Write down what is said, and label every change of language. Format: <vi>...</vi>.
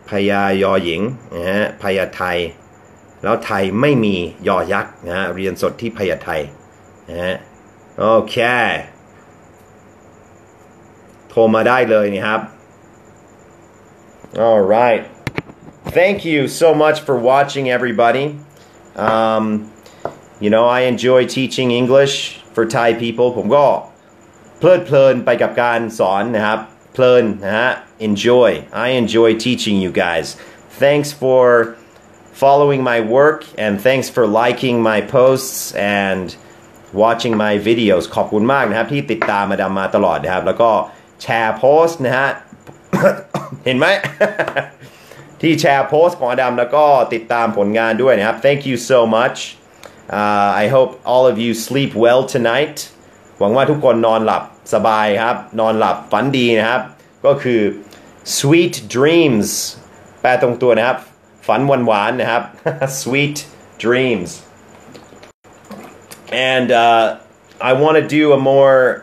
<th>ยายอหญิงนะฮะพยาไทแล้วไทไม่มียอยักษ์นะฮะเรียนสดที่พยาไทนะฮะโอเคโทรมาได้เลยนะครับ</th> <en>All rightThank you so much for watching, everybody. You know, I enjoy teaching English for Thai people.</en> <th>ผมก็เพลิดเพลินไปกับการสอนนะครับเพลินนะฮะ enjoy.</th> <en>I enjoy teaching you guys. Thanks for following my work and thanks for liking my posts and watching my videos.</en> <th>ขอบคุณมากนะครับที่ติดตามอดัมมาตลอดนะครับแล้วก็แชร์โพสต์นะฮะ เห็นไหม ที่แชร์โพสต์ของอดัมแล้วก็ติดตามผลงานด้วยนะครับ</th> <en>Thank you so much I hope all of you sleep well tonight</en> <th>หวังว่าทุกคนนอนหลับสบายครับนอนหลับฝันดีนะครับก็คือ sweet dreams แปลตรงตัวนะครับฝันหวานๆ นะครับ</th> <en>sweet dreams and I want to do a more</en>